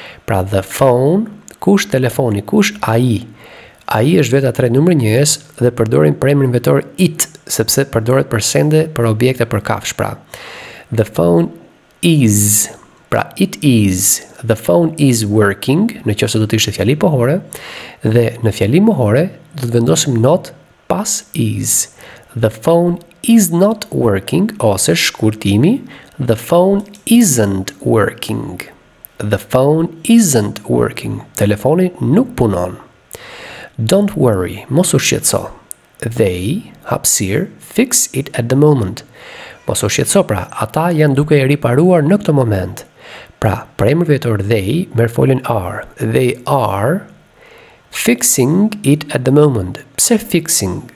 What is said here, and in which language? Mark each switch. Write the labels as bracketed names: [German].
[Albanian] Pra [English] the phone, [Albanian] kush telefoni, kush ai? Ai është vetë tre numër njëjës dhe përdorim premin vetor it sepse përdoret për sende, për objekte, për kafsh, pra. The phone is, pra [English] it is, the phone is working, [Albanian] në qëse do të ishte fjali pohore, dhe në fjali mohore, do të vendosim not pas is. [English] The phone is not working, [Albanian] ose shkurtimi, [English] the phone isn't working. The phone isn't working, [Albanian] telefoni nuk punon. [English] Don't worry, [Albanian] mos u shqetëso. [English] They, hapësirë, fix it at the moment. [Albanian] Mos u shqetëso, pra, ata janë duke e riparuar në këtë moment. Pra, për emër vetor [English] they, [Albanian] merr foljen [English] are. They are fixing it at the moment. [Albanian] Pse [English] fixing?